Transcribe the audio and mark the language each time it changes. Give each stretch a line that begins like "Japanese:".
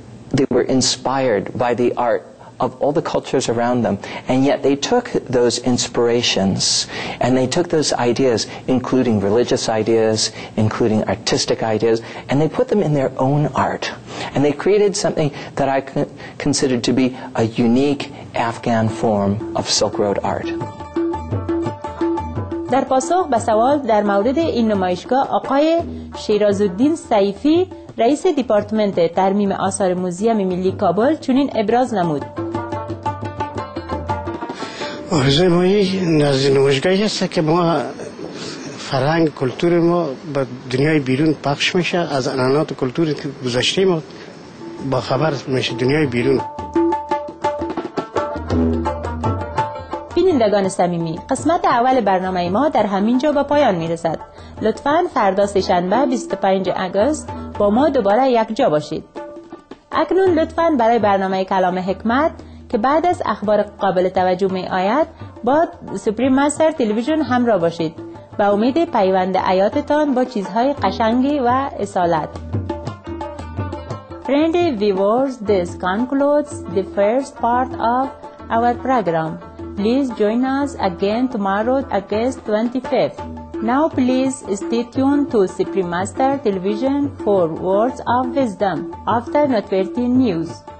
English: They were inspired by the art of all the cultures around them, and yet they took those inspirations and they took those ideas, including religious ideas, including artistic ideas, and they put them in their own art. And they created something that I considered to be a unique Afghan form of Silk Road art.
Persian: در پاسخ به سوال در مورد این نمایشگاه، آقای شیرازالدین سیفی، رئیس دیپارتمنت ترمیم آثار موزیم ملی کابل، چنین ابراز نمود. آرزوی ما این نمایشگاهی است که ما فرهنگ کلتور ما به دنیای بیرون پخش میشه، از عنعنات و کلتور گذشته ما با خبر میشه دنیای بیرون. بینندگان صمیمی، قسمت اول برنامه ما در همین جا به پایان میرسد. لطفاً فردا سه‌شنبه 25 آگوست با ما دوباره یک جا باشید. اکنون لطفاً برای برنامه کلام حکمت که بعد از اخبار قابل توجه می آید با سپریم مستر تلویزیون همراه باشید، با امید پیوند حیاتتان با چیزهای قشنگی و اصالت.
English: Friendly viewers, this concludes the first part of our program. Please join us again tomorrow, August 25th. Now please stay tuned to Supreme Master Television for Words of Wisdom after Noteworthy News.